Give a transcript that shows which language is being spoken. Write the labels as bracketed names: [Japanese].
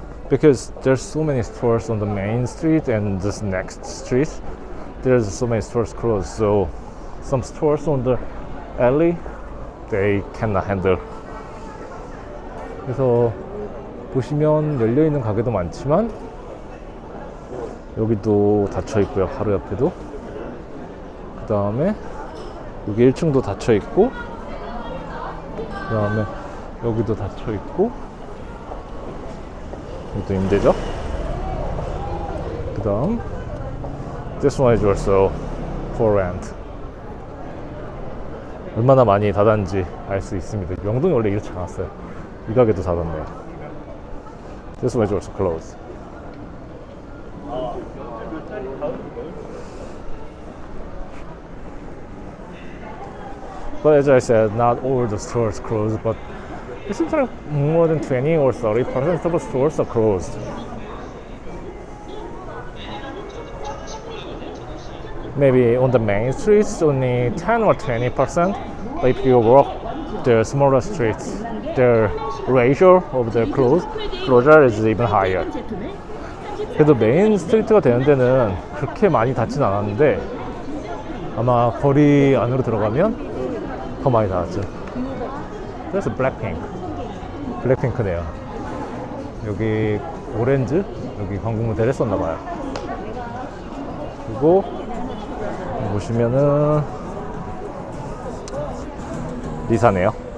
[English] 'Cause there's so many stores on the main street and this next street, there's so many stores closed. So some stores on the alley, they cannot handle. [Korean] 그래서 보시면 열려 있는 가게도 많지만. 여기도 닫혀 있고요. 바로 옆에도. 그 다음에 여기 1층도 닫혀 있고, 그 다음에 여기도 닫혀 있고, 이것도 임대죠. 그 다음 [English] This one is also for rent. [Korean] 얼마나 많이 닫았는지 알 수 있습니다. 명동이 원래 이렇지 않았어요. 이 가게도 닫았네요. [English] This one is also closed. But as I said, not all the stores closed, but it seems like more than 20 or 30% of the stores are closed. Maybe on the main streets, only 10 or 20%. But if you walk the smaller streets, the ratio of the closure is even higher. [Korean] 그래도 메인 스트리트가 되는 데는 그렇게 많이 닫진 않았는데 아마 거리 안으로 들어가면 더 많이 닫았죠. 그래서 블랙핑크. 블랙핑크네요. 여기 오렌지? 여기 광고 모델 했었나봐요. 그리고 보시면은 리사네요.